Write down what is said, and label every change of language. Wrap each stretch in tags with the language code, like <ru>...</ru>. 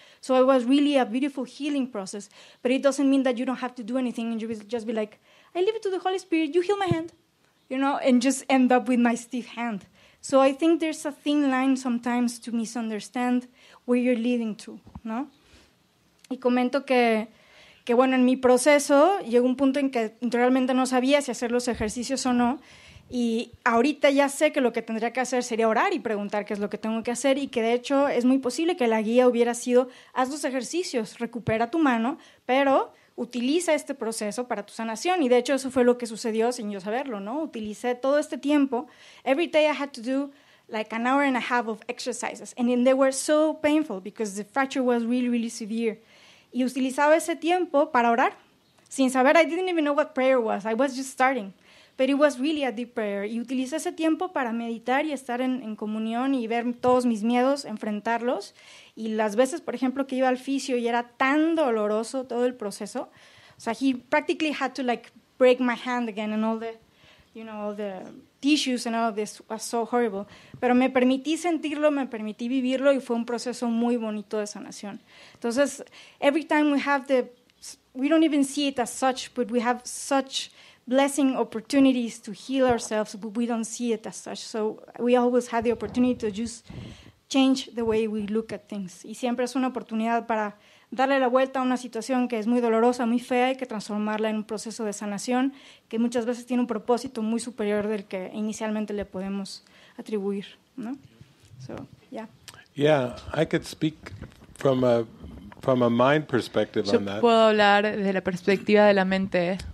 <en>So it was really a beautiful healing process. But it doesn't mean that you don't have to do anything. And you just be like, I leave it to the Holy Spirit. You heal my hand, you know, and just end up with my stiff hand. So I think there's a thin line sometimes to misunderstand where you're leading to, ¿no?</en> <es>Y comento que bueno, en mi proceso llegó un punto en que realmente no sabía si hacer los ejercicios o no, y ahorita ya sé que lo que tendría que hacer sería orar y preguntar qué es lo que tengo que hacer, y que de hecho es muy posible que la guía hubiera sido, haz los ejercicios, recupera tu mano, pero utiliza este proceso para tu sanación. Y de hecho, eso fue lo que sucedió sin yo saberlo, ¿no? Utilicé todo este tiempo.</es> <en>Every day I had to do like an hour and a half of exercises. And then they were so painful because the fracture was really, really severe.</en> <es>Y utilizaba ese tiempo para orar. Sin saber,</es> <en>I didn't even know what prayer was. I was just starting. But it was really a deep prayer.</en> <es>Y utilicé ese tiempo para meditar y estar en comunión y ver todos mis miedos, enfrentarlos. Y las veces, por ejemplo, que iba al fisio y era tan doloroso todo el proceso. O sea,</es> <en>he practically had to like break my hand again and all the, you know, all the tissues and all of this was so horrible.</en> <es>Pero me permití sentirlo, me permití vivirlo y fue un proceso muy bonito de sanación. Entonces,</es> <en>every time we have the, we don't even see it as such, but we have such blessing opportunities to heal ourselves, but we don't see it as such. So we always had the opportunity to just change the way we look at things.</en> <es>Y siempre es una oportunidad para darle la vuelta a una situación que es muy dolorosa, muy fea, y que transformarla en un proceso de sanación que muchas veces tiene un propósito muy superior del que inicialmente le podemos atribuir, ¿no?</es> <en>So, yeah. Yeah, I could speak from a mind perspective on that.</en> <es>Yo puedo hablar de la perspectiva de la mente.</es>